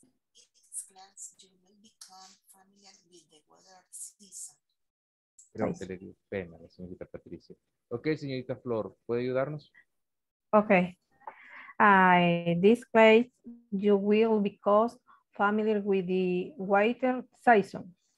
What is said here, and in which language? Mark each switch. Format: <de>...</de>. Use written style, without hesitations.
<en>In this class, you will become familiar with the weather season.</en> <es>Creo que le dio pena a la señorita Patricia. Ok, señorita Flor, ¿puede ayudarnos? Ok.</es> <en>In this case, you will become familiar with the weather season.</en>